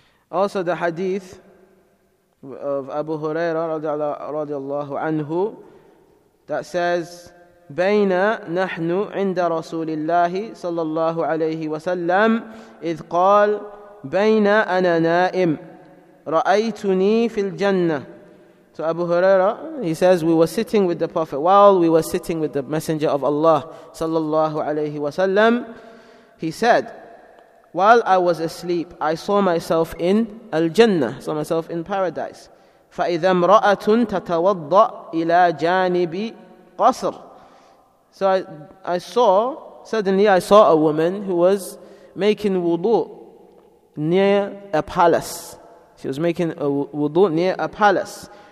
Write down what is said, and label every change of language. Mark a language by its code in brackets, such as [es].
[en] Also the hadith of Abu Huraira [ar] رضي الله عنه [en] that says, [ar] بين نحن عند رسول الله صلى الله عليه وسلم إذ قال بين أنا نائم رأيتني في الجنة. [en] So Abu Huraira, he says, we were sitting with the Prophet, while we were sitting with the Messenger of Allah صلى الله عليه وسلم, he said, while I was asleep, I saw myself in al-Jannah, saw myself in paradise. [ar] فإذا امرأة تتوضأ إلى جانب قصر. [en] So I saw a woman who was making wudu near a palace. She was making a wudu near a palace.